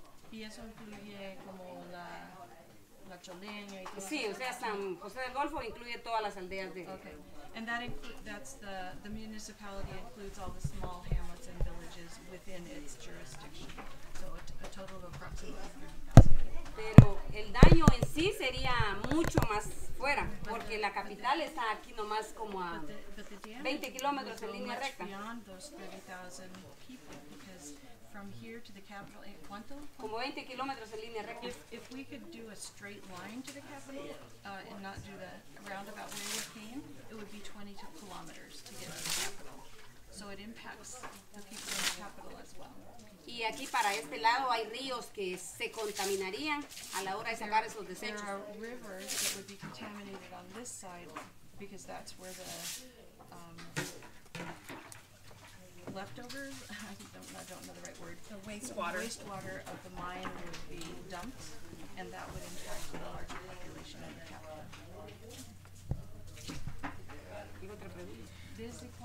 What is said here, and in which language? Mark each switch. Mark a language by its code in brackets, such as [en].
[es] Y eso incluye como la Choleña y todo. Sí, o sea, San José del Golfo incluye todas las aldeas de. [en] Okay. And that that's the municipality includes all the small hamlets and villages within its jurisdiction. So a total of approximately 30,000. [es] Pero el daño en sí sería mucho más fuera, porque la capital está aquí nomás como a 20 kilómetros en línea recta. [en] Beyond those 30,000 people, because from here to the capital, [es] ¿cuánto? Como 20 kilómetros en línea recta. [en] If we could do a straight line to the capital and not do the roundabout way we came, it would be 22 kilometers to get to the capital. So it impacts the people in the capital as well. [es] Y aquí para este lado hay ríos que se contaminarían a la hora de sacar esos desechos. [en] There are rivers that would be contaminated on this side because that's where the leftovers, I don't know the right word, the wastewater of the mine would be dumped, and that would impact the larger population in the capital.